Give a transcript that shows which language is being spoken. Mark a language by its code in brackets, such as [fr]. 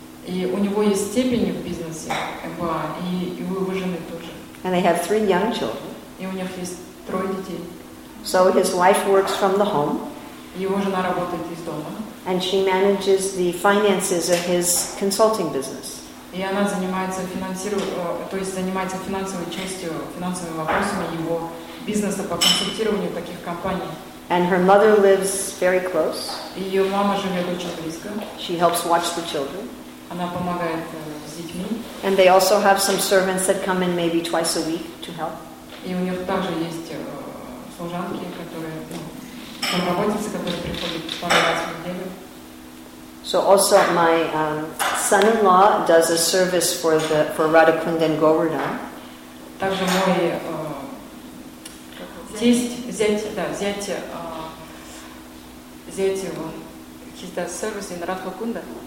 [ru] И у него есть степень в бизнесе, MBA, и у его жены тоже. [en] And they have three young children. [ru] И у них есть трое детей. [en] So his wife works from the home. [ru] Его жена работает из дома. [en] And she manages the finances of his consulting business. [ru] И она занимается финансовой частью, финансовыми вопросами его бизнеса по консультированию таких компаний. [en] And her mother lives very close. [ru] И ее мама живет очень близко. [en] She helps watch the children. [ru] Она помогает с детьми. [en] And they also have some servants that come in maybe twice a week to help. [ru] И у них также есть служанки, которые работницы, которые приходят пару раз в неделю. [en] So also my son-in-law does a service for Radhakund and Govardhan. [ru] Также мой зять, [en] he does service in Radhakunda.